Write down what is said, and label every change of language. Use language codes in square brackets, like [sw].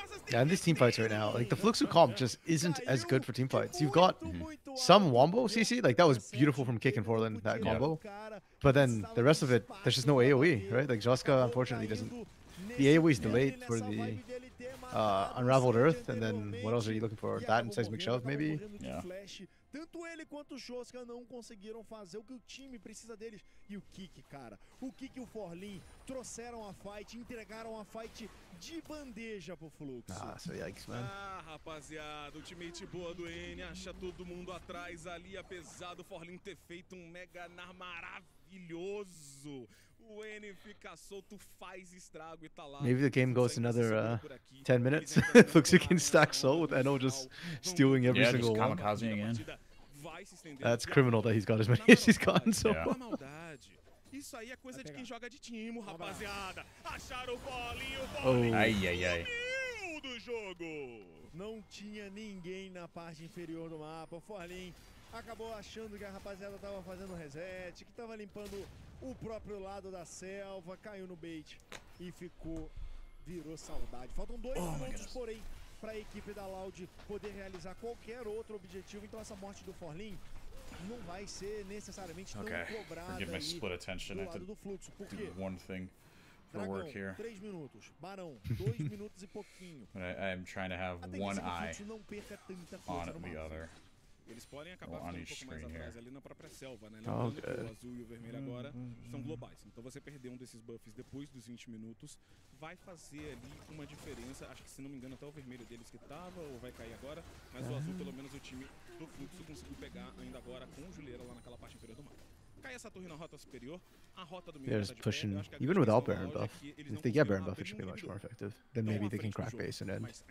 [en] Yeah, and these teamfights right now, like the Fluxu comp just isn't as good for teamfights. You've got some wombo CC, like that was beautiful from Kick and Forlan, that combo. Yep. But then the rest of it, there's just no AoE, right? Like Joska, unfortunately, doesn't. The AoE is delayed for the Unraveled Earth, and then what else are you looking for? That and Seismic Shove, maybe? Yeah. [pt] Tanto ele quanto o Joska não conseguiram fazer o que o time precisa deles. E o Kick, cara. O Kick e o Forlin trouxeram a fight, entregaram a fight de bandeja pro Fluxo. [en] Ah, so yikes, man. [pt] Ah, rapaziada, o teammate boa do N acha todo mundo atrás ali, apesar do Forlin ter feito um mega nar maravilhoso. O N fica solto, faz estrago e tá lá. [en] Maybe the game goes another 10 minutes. Looks like can stack soul with NO just stealing every single one. Yeah, just kamikaze again. That's criminal that he's got as many as he's gotten so far. [pt] Isso aí é coisa de quem joga de time, rapaziada. Acharam o bolinho, ai. Do jogo. Não tinha ninguém na parte inferior do mapa. Forlin acabou achando que a rapaziada tava fazendo reset, que tava limpando o próprio lado da selva, caiu no bait e ficou, virou saudade. Faltam dois minutos, porém, para a equipe da Loud poder realizar qualquer outro objetivo. Então essa morte do Forlin não vai ser necessariamente tão cobrada aí do lado do Fluxo. Porque, Dragão, três minutos. Barão, dois minutos e pouquinho. [en] I'm trying to have one eye on the other. [pt] Eles podem acabar ficando um pouco mais atrás ali na própria selva, né? Lembrando que o azul e o vermelho agora são globais. Então você perder um desses buffs depois dos 20 minutos vai fazer ali uma diferença. Acho que, se não me engano, até o vermelho deles que tava ou vai cair agora. Mas o azul, pelo menos o time do Fluxo, conseguiu pegar ainda agora com o Juliera lá naquela parte inferior do mapa. Cai essa torre na rota superior. [en] They're just pushing, even without Baron buff. If they get Baron buff, it should be much more effective. Then maybe they can crack base and end.